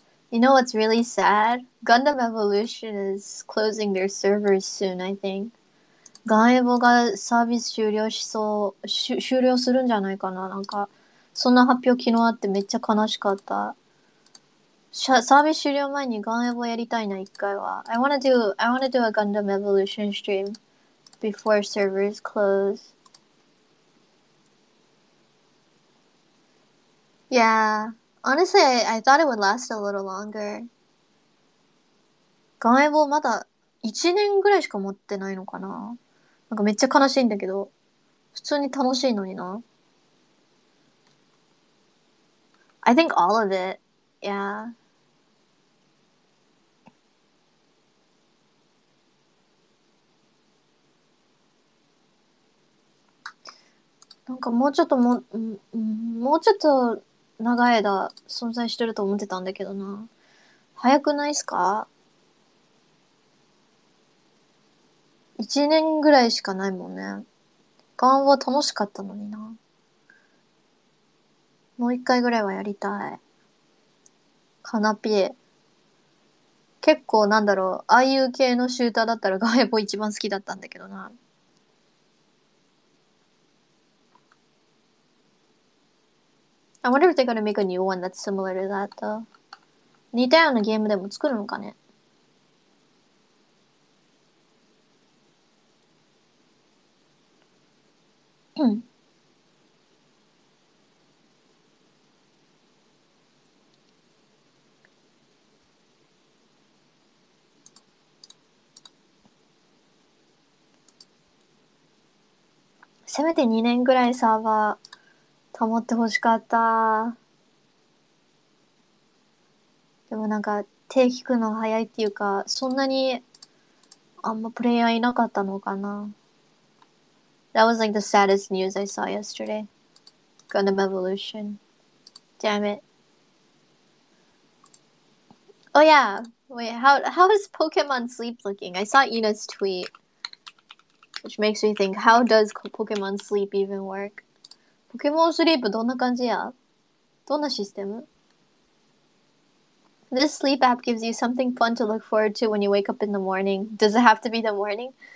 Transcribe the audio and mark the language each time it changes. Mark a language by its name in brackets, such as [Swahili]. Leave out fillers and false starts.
[English] You know what's really sad? Gundam Evolution is closing their servers soon, I think. [Japanese] Gaebo がサービス終了しそう、終了するんじゃないかな。なんか、そんな発表昨日あってめっちゃ悲しかった。サービス終了前にガンエボやりたいな、一回は。 [English] I wanna do a Gundam Evolution stream before servers close. Yeah, honestly, I thought it would last a little longer. [Japanese] ガンエボまだ1年ぐらいしか持ってないのかな。なんかめっちゃ悲しいんだけど、普通に楽しいのにな。 [English] I think all of it, yeah. [Japanese] なんかもうちょっとももうちょっと長い間存在してると思ってたんだけどな。早くないっすか？一年ぐらいしかないもんね。ガンは楽しかったのにな。もう一回ぐらいはやりたい。カナピエ。結構なんだろう、ああいう系のシューターだったらガエボ一番好きだったんだけどな。 [English] I wonder if they're gonna make a new one that's similar to that though. [Japanese] 似たようなゲームでも作るのかね。せめて2年ぐらいサーバー保ってほしかった。でもなんか手引くの早いっていうか、そんなにあんまプレイヤーいなかったのかな。 [English] That was like the saddest news I saw yesterday. Gundam Evolution. Damn it. Oh yeah. Wait, how is Pokemon Sleep looking? I saw Ina's tweet. Which makes me think, how does Pokemon Sleep even work? [Japanese] Pokemon Sleep, どんな感じや？どんなシステム？ [English] This sleep app gives you something fun to look forward to when you wake up in the morning. Does it have to be the morning?